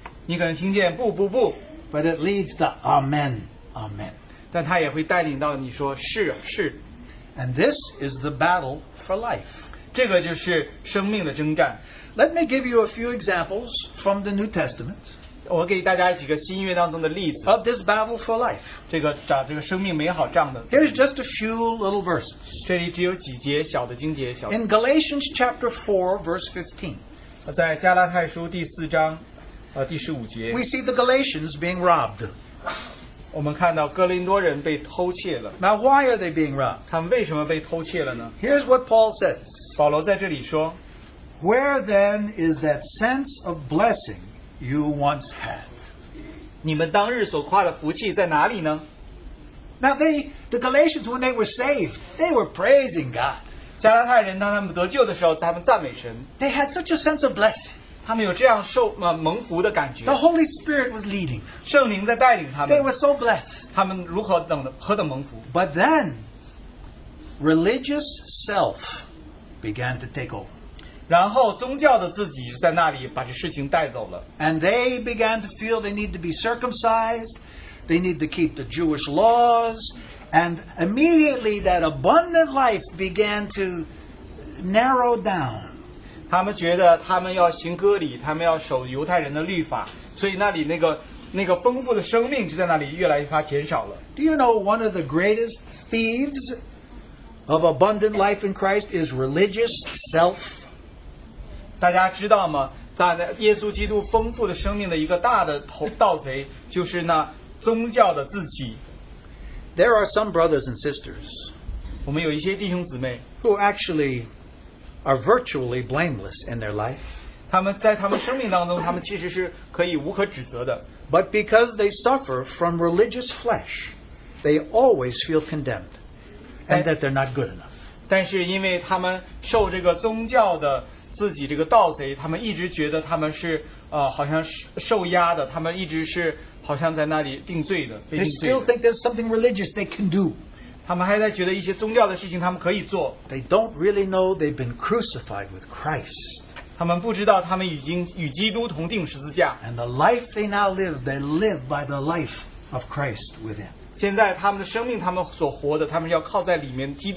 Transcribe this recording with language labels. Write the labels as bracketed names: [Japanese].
[Chinese] 你可能听见不不不。 [English] But it leads to amen, amen. [Chinese] 但他也会带领到你说是是。 [English] And this is the battle for life. [Chinese] 这个就是生命的征战。 [English] Let me give you a few examples from the New Testament. [Chinese] 我给大家几个新约当中的例子。 [English] Of this battle for life. [Chinese] 这个打这个生命美好仗的。 [English] Here's just a few little verses. [Chinese] 这里只有几节小的经节小。 [English] In Galatians chapter 4 verse 15. [Chinese] 在加拉太书第四章第十五节。 [English] We see the Galatians being robbed. [Chinese] 我们看到哥林多人被偷窃了。 [English] Now why are they being robbed? [Chinese] 他们为什么被偷窃了呢? [English] Here's what Paul says. [Chinese] 保罗在这里说, [English] Where then is that sense of blessing you once had? [Chinese] 你们当日所夸的福气在哪里呢? [English] Now the Galatians, when they were saved, they were praising God. [Chinese] 加拉太人当他们得救的时候, 他们赞美神。 [English] They had such a sense of blessing. [Chinese] 他们有这样受蒙福的感觉。 [English] The Holy Spirit was leading. [Chinese] 圣灵在带领他们。 [English] They were so blessed. [Chinese] 他们如何等的何等蒙福。 [English] But then, religious self began to take over. [Chinese] 然后宗教的自己在那里把这事情带走了。 [English] And they began to feel they need to be circumcised, they need to keep the Jewish laws, and immediately that abundant life began to narrow down. [Chinese] 他们觉得他们要行割礼，他们要守犹太人的律法，所以那里那个丰富的生命就在那里越来越发减少了。 [English] Do you know one of the greatest thieves of abundant life in Christ is religious self? [Chinese] 大家知道吗？在耶稣基督丰富的生命的一个大的盗贼就是那宗教的自己。 [English] There are some brothers and sisters who actually are virtually blameless in their life. [Chinese] 他们在他们生命当中, 他们其实是可以无可指责的, [English] but because they suffer from religious flesh, they always feel condemned and that they're not good enough. [Chinese] 但是因为他们受这个宗教的自己这个盗贼, 他们一直觉得他们是, 好像受压的, 他们一直是好像在那里定罪的, [English] they still think there's something religious they can do. [Chinese] 他们还在觉得一些宗教的事情他们可以做, [English] they don't really know they've been crucified with Christ. [Chinese] 他们不知道他们已经与基督同定十字架, [English] and the life they now live, they live by the life of Christ within. [Chinese] 现在他们的生命他们所活的, 他们要靠在里面,